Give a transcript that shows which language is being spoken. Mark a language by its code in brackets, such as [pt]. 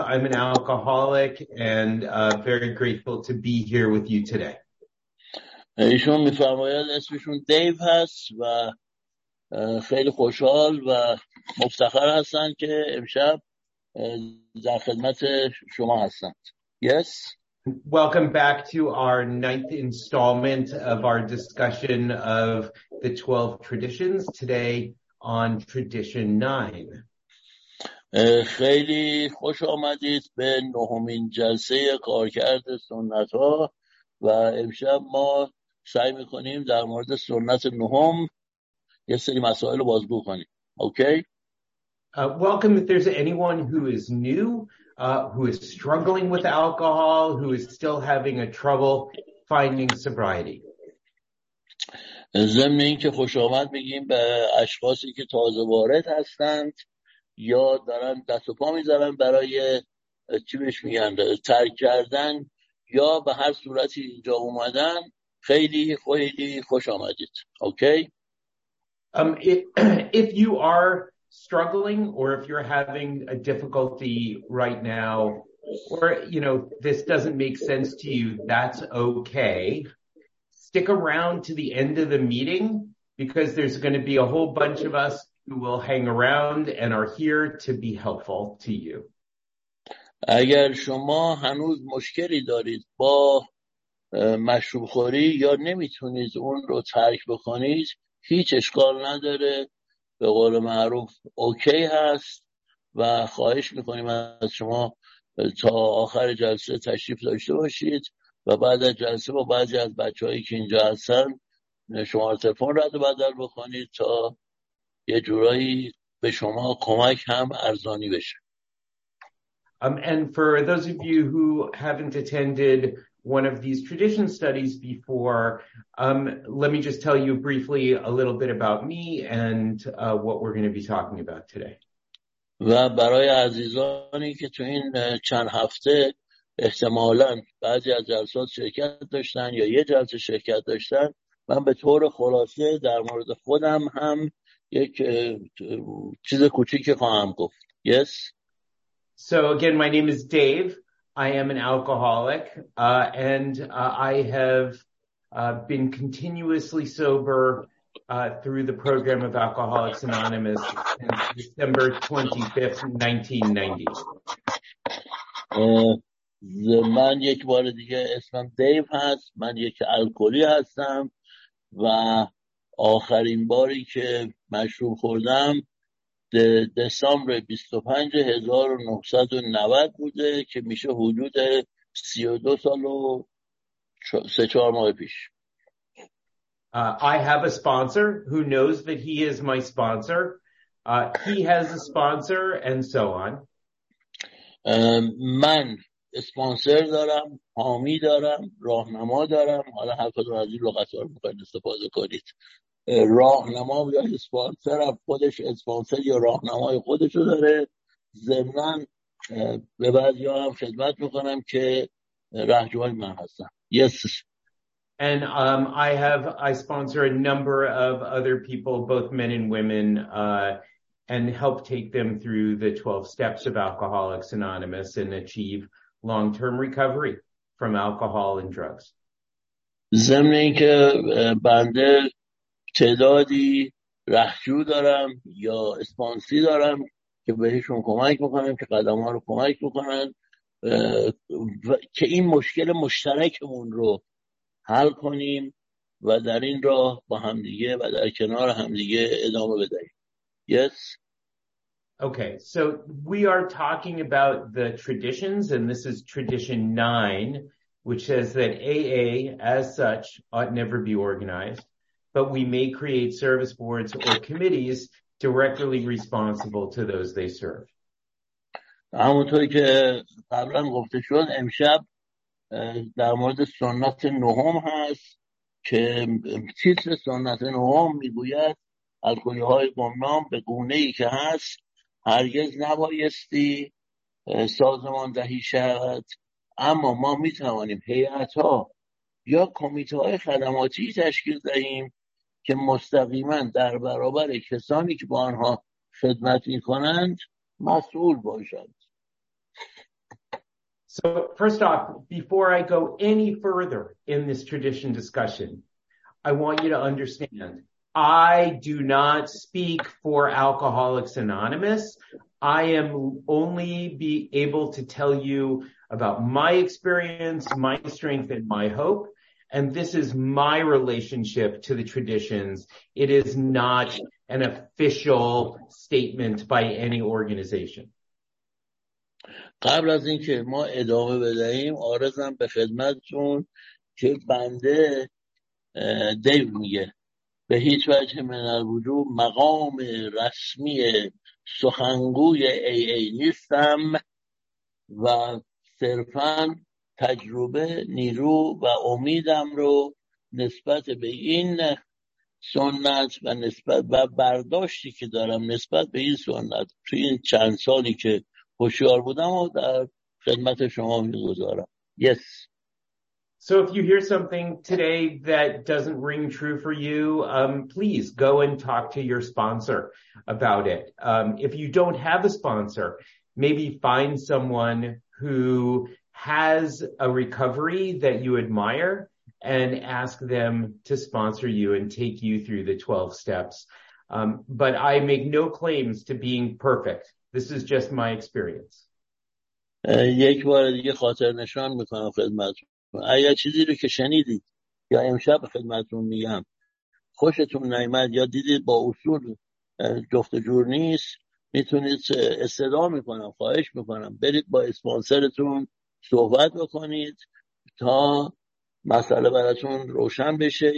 [en] I'm an alcoholic and very grateful to be here with you today. [fa] ایشون می‌فرماید اسمشون دیو هست و خیلی خوشحال و مفتخر هستن که امشب در خدمت شما هستند. [en] Yes. Welcome back to our ninth installment of our discussion of the 12 traditions today on tradition 9. [fa] خیلی خوش آمدید به نهمین جلسه کارکرد سنت‌ها و امشب ما سعی می‌کنیم در مورد سنت نهم یه سری مسائل رو بازگو کنیم. [en] Okay? Welcome if there's anyone who is new, who is struggling with alcohol, who is still having a trouble finding sobriety. [fa] ضمن اینکه خوش آمد میگیم به اشخاصی که تازه وارد هستند یا دارن دست و پا میزنن برای چی بهش میگن ترک کردن یا به هر صورتی اینجا اومدن، خیلی خیلی خوش آمدید. [en] Okay? If you are struggling or if you're having a difficulty right now or you know this doesn't make sense to you, that's okay. Stick around to the end of the meeting because there's going to be a whole bunch of us who will hang around and are here to be helpful to you. [fa] اگر شما هنوز مشکلی دارید با مشروب خوری یا نمیتونید اون رو ترک بکنید، هیچ اشکال نداره، به قول معروف اوکی هست و خواهش میکنیم از شما تا آخر جلسه تشریف داشته باشید و بعد از جلسه با بعضی از بچه هایی که اینجا هستن شما تلفن رد و بدل بکنید تا یه جورایی به شما کمک هم ارزانی بشه. [en] And for those of you who haven't attended one of these tradition studies before, let me just tell you briefly a little bit about me and what we're going to be talking about today. [fa] و برای عزیزانی که تو این چند هفته احتمالاً بعضی از جلسات شرکت داشتن یا یه جلسه شرکت داشتن، من به طور خلاصه در مورد خودم هم یک چیز کوچیکی خواهم گفت. [en] Yes. So again, my name is Dave. I am an alcoholic, and I have been continuously sober through the program of Alcoholics Anonymous since December 25th, 1990. [fa] من یک بار دیگه اسمم دیو هست. من یک الکلی هستم و آخرین باری که مشروب خوردم [en] December 25, 1990 [fa] بوده که میشه حدود 32 سال و 3-4 ماه پیش. [en] I have a sponsor who knows that he is my sponsor. He has a sponsor and so on. [fa] من اسپانسر دارم، حامی دارم، راهنما دارم. حالا هر کدوم از این لغت‌ها رو می‌خواید استفاده کنید. راهنما یا اسپانسر، خودش اسپانسر یا راهنمای خودشو داره. ضمناً به بعضی ها هم خدمت میکنم که رهجوهای من هستم. [en] Yes. And I sponsor a number of other people, both men and women, and help take them through the 12 steps of Alcoholics Anonymous and achieve long-term recovery from alcohol and drugs. [fa] ضمن اینکه بنده تعدادی رهجو دارم یا اسپانسی دارم که بهشون کمک بکنم، که قدم ها رو کمک بکنن و که این مشکل مشترکمون رو حل کنیم و در این راه با همدیگه و در کنار همدیگه ادامه بدهیم. [en] Yes. Okay, so we are talking about the traditions, and this is tradition 9, which says that AA, as such, ought never be organized, but we may create service boards or committees directly responsible to those they serve. [fa] همونطوری که قبلا گفته شد، امشب در مورد سنت نهم هست که تیتر سنت نهم میگوید الکلی‌های گمنام به گونه‌ای که هست هرگز نبایستی سازماندهی شود، اما ما میتوانیم هیئت‌ها یا کمیته‌های خدماتی تشکیل دهیم که مستقیما در برابر کسانی که با آنها خدمت می‌کنند مسئول باشند. [en] So first off, before I go any further in this tradition discussion, I want you to understand, I do not speak for Alcoholics Anonymous. I am only be able to tell you about my experience, my strength, and my hope. And this is my relationship to the traditions. It is not an official statement by any organization. [fa] قبل از اینکه ما ادامه بدهیم عارضم به خدمتتون که بنده دیو میگه به هیچ وجه من الوجود مقام رسمی سخنگوی ای ای نیستم و صرفا تجربه نیرو و امیدم رو نسبت به این سنت و نسبت و برداشتی که دارم نسبت به این سنت توی این چند سالی که هوشیار بودم و در خدمت شما میگذارم. [en] Yes. So if you hear something today that doesn't ring true for you, please go and talk to your sponsor about it. If you don't have a sponsor, maybe find someone who has a recovery that you admire and ask them to sponsor you and take you through the 12 steps. But I make no claims to being perfect. This is just my experience. [fa] یک بار دیگه خاطر نشان میکنم خدمتتون. اگر چیزی رو که شنیدید یا امشب خدمتتون میگم خوشتون نیامد یا دیدید با اصول جفت جور نیست، میتونید استدعا میکنم، خواهش میکنم برید با اسپانسرتون صحبت بکنید تا مسئله براتون روشن بشه.